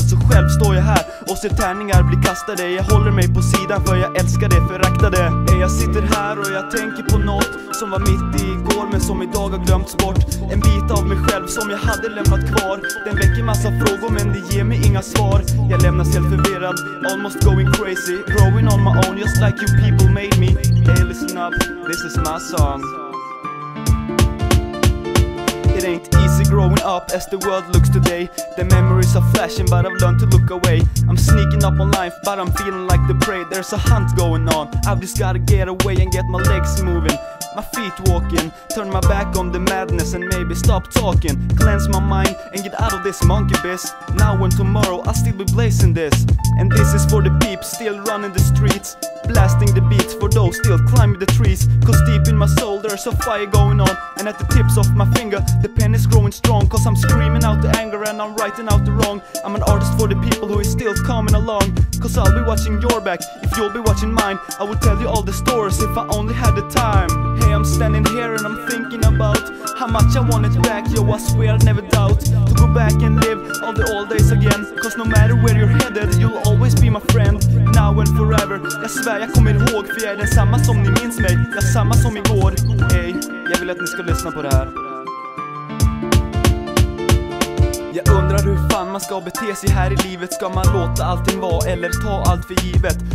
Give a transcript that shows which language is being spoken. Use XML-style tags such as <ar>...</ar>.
<sv>Så själv står jag här och ser tärningar bli kastade. Jag håller mig på sidan för jag älskar det föraktade. Jag sitter här och jag tänker på något som var mitt igår men som idag har glömts bort. En bit av mig själv som jag hade lämnat kvar. Den väcker massa frågor men det ger mig inga svar. Jag lämnas helt förvirrad,</sv> <en>almost going crazy. Growing on my own just like you people made me. Hey listen up, this is my song. It ain't easy growing up as the world looks today. The memories are flashing but I've learned to look away. I'm sneaking up on life but I'm feeling like the prey. There's a hunt going on, I've just gotta get away and get my legs moving. My feet walking, turn my back on the madness and maybe stop talking. Cleanse my mind and get out of this monkey biz. Now and tomorrow I'll still be blazing this. And this is for the peeps still running the streets. Blasting the beats for those still climbing the trees. Cause deep in my soul there's a fire going on. And at the tips of my finger the pen is growing strong. Cause I'm screaming out the anger and I'm writing out the wrong. I'm an artist for the people who is still coming along. Cause I'll be watching your back if you'll be watching mine. I would tell you all the stories if I only had the time. Hey, I'm standing here and I'm thinking about how much I want it back, yo, I swear I never doubt. To go back and live all the old days again. Cause no matter where you're headed, you'll always be my friend. Now and forever,</en> <sv>jag svär jag kommer ihåg. För jag är densamma som ni minns mig, jag är samma som igår. Hey, jag vill att ni ska lyssna på det här. Jag undrar hur fan man ska bete sig här i livet. Ska man låta allting vara eller ta allt för givet?</sv>